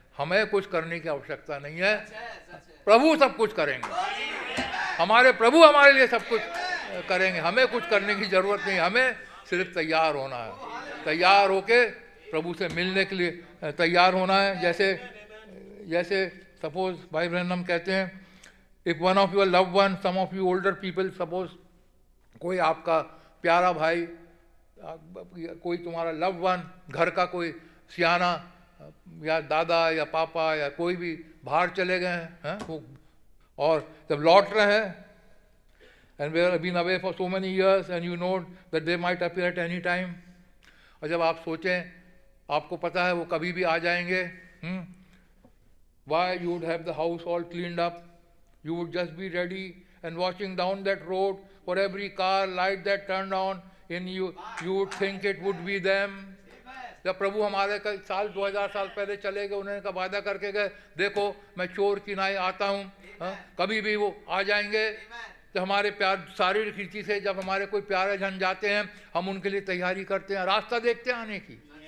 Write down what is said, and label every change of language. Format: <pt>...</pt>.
<hi>हमें कुछ करने की आवश्यकता नहीं है, प्रभु सब कुछ करेंगे. हमारे प्रभु हमारे लिए सब कुछ करेंगे, हमें कुछ करने की ज़रूरत नहीं. हमें सिर्फ तैयार होना है, तैयार होके प्रभु से मिलने के लिए तैयार होना है. जैसे जैसे सपोज़ भाई ब्रैनम कहते हैं</hi> <en>If one of your loved ones, some of you older people, suppose</en> <hi>कोई आपका प्यारा भाई, कोई तुम्हारा</hi> <en>loved one,</en> <hi>घर का कोई सियाना या दादा या पापा या कोई भी बाहर चले गए हैं और जब लौट रहे हैं</hi> <en>and we have been away for so many years and you know that they might appear at any time.</en> <hi>और जब आप सोचें आपको पता है वो कभी भी आ जाएंगे.</hi> <en>Why you would have the house all cleaned up? You would just be ready and watching down that road for every car light that turned on in you. You would think it would be them.</en> <hi>जब प्रभु हमारे कल साल 2000 साल पहले चले गए उन्होंने कहा वादा करके गए देखो मैं चोर की नाई आता हूँ कभी भी वो आ जाएंगे. तो हमारे प्यार सारी रीति से जब हमारे कोई प्यारे जन जाते हैं हम उनके लिए तैयारी करते हैं रास्ता देखते हैं आने की.</hi>